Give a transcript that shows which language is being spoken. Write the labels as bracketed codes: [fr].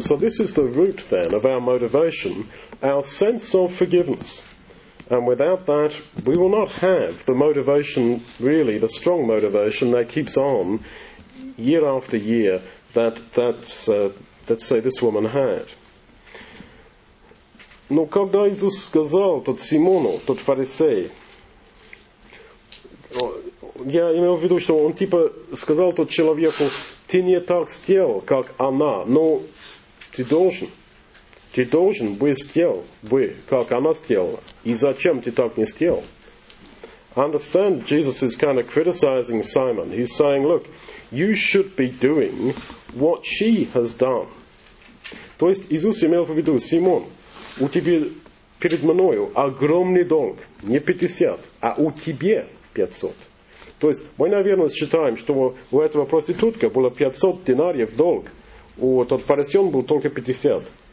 [en] So this is the root, then, of our motivation, our sense of forgiveness. And without that, we will not have the motivation, really, the strong motivation that keeps on year after year, that say this woman had. [ru] Но когда Иисус сказал тот Симону, тот фарисей, я имел в виду, что он типа сказал тот человеку, ты не так сделал, как она, но ты должен бы сделал бы, как она сделала, и зачем ты так не сделал? [en] Understand, Jesus is kind of criticizing Simon. He's saying, look, you should be doing what she has done. [ru] То есть Иисус имел в виду, Симон, у тебя перед мною огромный долг, не 50, а у тебя 500. То есть мы, наверное, считаем, что у этого проститутка было 500 динариев долг, у тот фарисеон был только 50.